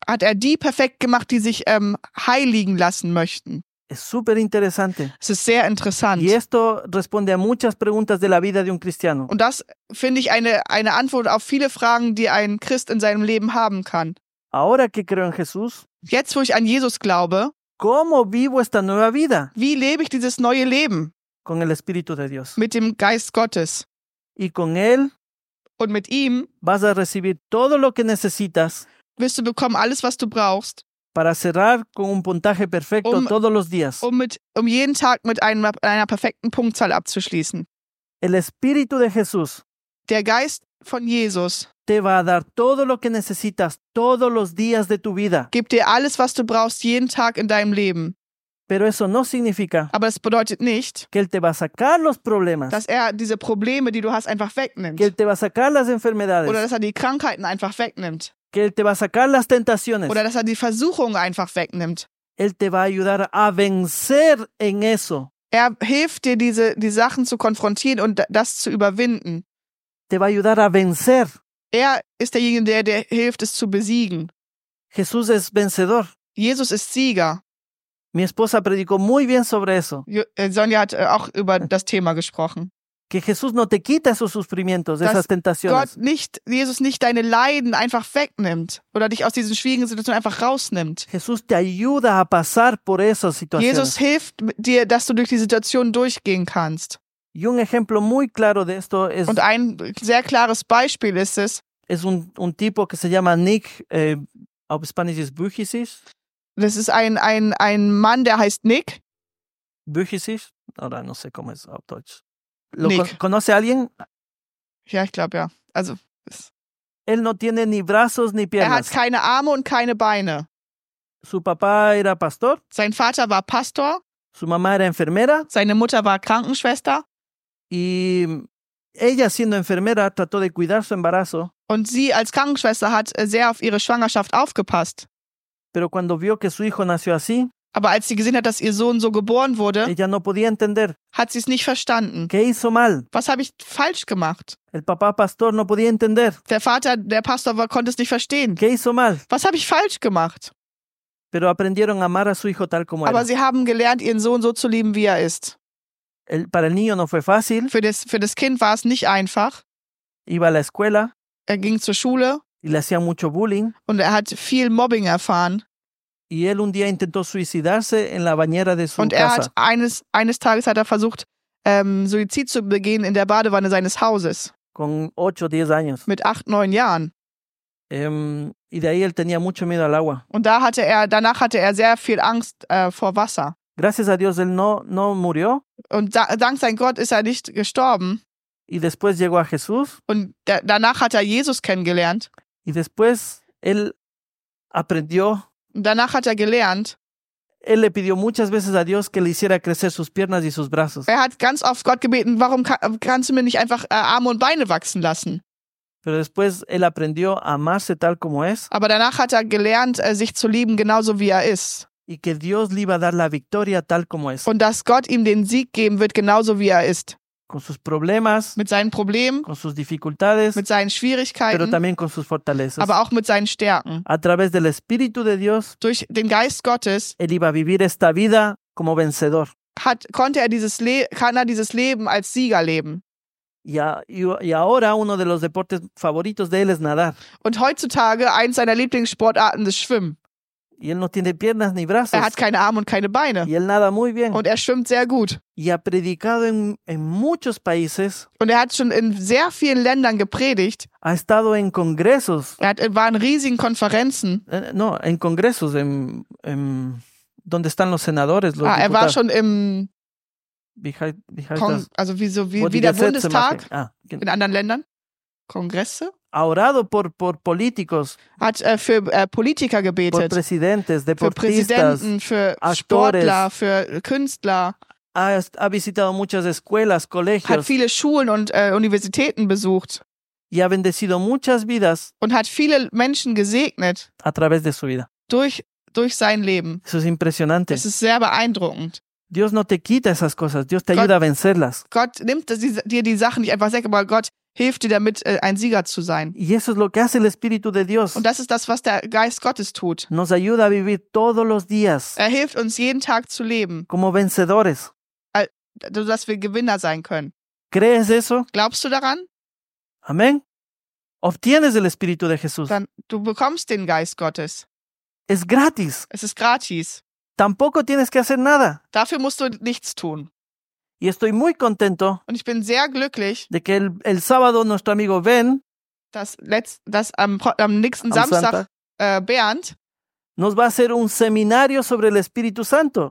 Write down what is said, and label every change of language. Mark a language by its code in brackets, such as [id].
[de] Hat er die perfekt gemacht, die sich heiligen lassen möchten. [es] Es super interesante. [de] Es ist sehr interessant. [es] Y esto responde a muchas preguntas de la vida de un cristiano. [de] Und das finde ich eine Antwort auf viele Fragen, die ein Christ in seinem Leben haben kann. [es] Ahora que creo en Jesús, [de] jetzt wo ich an Jesus glaube, [es] ¿cómo vivo esta nueva vida? [de] Wie lebe ich dieses neue Leben? [es] Con el Espíritu de Dios. [de] Mit dem Geist Gottes. [es] Y con él, [de] und mit ihm, [es] vas a recibir todo lo que necesitas, [de] wirst du bekommen alles, was du brauchst, [es] para cerrar con un puntaje perfecto todos los días. [de] Um jeden Tag mit einer perfekten Punktzahl abzuschließen. [es] El Espíritu de Jesús, [de] der Geist von Jesus, [es] te va a dar todo lo que necesitas todos los días de tu vida. [de] Gibt dir alles, was du brauchst, jeden Tag in deinem Leben. [es] Pero eso no significa, [de] aber es bedeutet nicht, [es] que él te va a sacar los problemas, [de] dass er diese Probleme, die du hast, einfach wegnimmt. [es] Que él te va a sacar las enfermedades, [de] oder dass er die Krankheiten einfach wegnimmt. [es] Que él te va a sacar las tentaciones, [de] oder dass er die Versuchungen einfach wegnimmt. [es] Él te va a ayudar a vencer en eso. [de] Er hilft dir, die Sachen zu konfrontieren und das zu überwinden. [es] Te va a ayudar a vencer. [de] Er ist derjenige, der hilft, es zu besiegen. [es] Jesús es vencedor. [de] Jesus ist Sieger. [es] Mi esposa predicó muy bien sobre eso. [de] Sonja hat auch über das Thema gesprochen. [es] Que Jesús no te quita esos sufrimientos, [de] dass [es] esas tentaciones. [de] Gott nicht, Jesus nicht deine Leiden einfach wegnimmt oder dich aus diesen schwierigen Situationen einfach rausnimmt. [es] Jesús te ayuda a pasar por esas situaciones. [de] Jesus hilft dir, dass du durch die Situation durchgehen kannst. [es] Y un ejemplo muy claro de esto es, [de] und ein sehr klares Beispiel ist es, [es] es un tipo que se llama Nick, [de] auf Spanisch ist Büchisis. Das ist ein Mann, der heißt Nick. [es] Büchisis? Oder no sé cómo es [de] auf Deutsch. Nick. [es] ¿Conoce a alguien? [de] Ja, ich glaube, ja. Also, [es] él no tiene ni brazos ni piernas. [de] Er hat keine Arme und keine Beine. [es] Su papá era pastor. [de] Sein Vater war Pastor. [es] Su mamá era enfermera. [de] Seine Mutter war Krankenschwester. [es] Y ella siendo enfermera trató de cuidar su embarazo. [de] Und sie als Krankenschwester hat sehr auf ihre Schwangerschaft aufgepasst. [es] Pero cuando vio que su hijo nació así, [de] aber als sie gesehen hat, dass ihr Sohn so geboren wurde, [es] ella no podía entender, [de] hat sie es nicht verstanden. [es] ¿Qué hizo mal? [de] Was habe ich falsch gemacht? [es] El papá pastor no podía entender. [de] Der Vater, der Pastor, konnte es nicht verstehen. [es] ¿Qué hizo mal? [de] Was habe ich falsch gemacht? [es] Pero aprendieron a amar a su hijo tal como [de] aber [es] era. [de] Sie haben gelernt, ihren Sohn so zu lieben, wie er ist. [es] Para el niño no fue fácil. [de] Für das Kind war es nicht einfach. [es] Iba a la escuela. [de] Er ging zur Schule. [es] Y le hacía mucho bullying. [de] Und er hat viel Mobbing erfahren. [es] Y él un día intentó suicidarse en la bañera de su casa. [de] Und er hat eines Tages hat er versucht, Suizid zu begehen in der Badewanne seines Hauses. [es] Con 8 o 10 años. [de] Mit 8-9 Jahren. [es] Y de ahí él tenía mucho miedo al agua. [de] Und danach hatte er sehr viel Angst vor Wasser. [es] Gracias a Dios él no murió. [de] Und dank sein Gott ist er nicht gestorben. [es] Y después llegó a Jesús. [de] Und danach hat er Jesus kennengelernt. [es] Y después él aprendió. [de] Danach hat er gelernt. [es] Él le pidió muchas veces a Dios que le hiciera crecer sus piernas y sus brazos. [de] Er hat ganz oft Gott gebeten, warum kannst du mir nicht einfach Arme und Beine wachsen lassen? [es] Pero después él aprendió a amarse tal como es. [de] Aber danach hat er gelernt, sich zu lieben, genauso wie er ist. [es] Y que Dios le iba a dar la victoria tal como es. [de] Und dass Gott ihm den Sieg geben wird, genauso wie er ist. [es] Con sus problemas, [de] mit seinen Problemen, [es] con sus dificultades, [de] mit seinen Schwierigkeiten, [es] pero también con sus fortalezas, [de] aber auch mit seinen Stärken. [es] A través del Espíritu de Dios, [de] durch den Geist Gottes, [es] él iba a vivir esta vida como vencedor. [de] Kann er dieses Leben als Sieger leben. [es] Y ahora uno de los deportes favoritos de él es nadar. [de] Und heutzutage eins seiner Lieblingssportarten ist Schwimmen. [es] Y él no tiene piernas ni brazos. [de] Er hat keine Arme und keine Beine. [es] Y él nada muy bien. [de] Und er schwimmt sehr gut. [es] Y ha predicado en muchos países. [de] Und er hat schon in sehr vielen Ländern gepredigt. [es] Ha estado en congresos. [de] War in riesigen Konferenzen. [es] No, en congresos, en donde están los senadores, los diputados. [de] Er war schon im wie heißt das? Also wie der Bundestag in anderen Ländern. Kongresse. [es] Ha orado por políticos. [de] Hat für Politiker gebetet. [es] Por presidentes, deportistas, [de] für Präsidenten, für [es] actores, [de] Sportler, für Künstler. [es] Ha visitado muchas escuelas, colegios. [de] Hat viele Schulen und Universitäten besucht. [es] Y ha bendecido muchas vidas. [de] Und hat viele Menschen gesegnet. [es] A través de su vida. [de] Durch sein Leben. [es] Eso es impresionante. [de] Es ist sehr beeindruckend. [es] Dios no te quita esas cosas. Dios te ayuda a vencerlas. [de] Gott nimmt dir die Sachen nicht einfach weg, aber Gott hilft dir damit, ein Sieger zu sein. [es] Y eso es lo que hace el Espíritu de Dios. [de] Und das ist das, was der Geist Gottes tut. [es] Nos ayuda a vivir todos los días. [de] Er hilft uns, jeden Tag zu leben. [es] Como vencedores. [de] Dass wir Gewinner sein können. [es] ¿Crees eso? [de] Glaubst du daran? [es] Amén. Obtienes el Espíritu de Jesús. [de] Dann, du bekommst den Geist Gottes. [es] Es gratis. [de] Es ist gratis. [es] Tampoco tienes que hacer nada. [de] Dafür musst du nichts tun. [es] Y estoy muy contento. [de] Und ich bin sehr glücklich, [es] de que el sábado nuestro amigo Ben, [de] dass am nächsten Samstag Bernd, [es] nos va a hacer un seminario sobre el Espíritu Santo.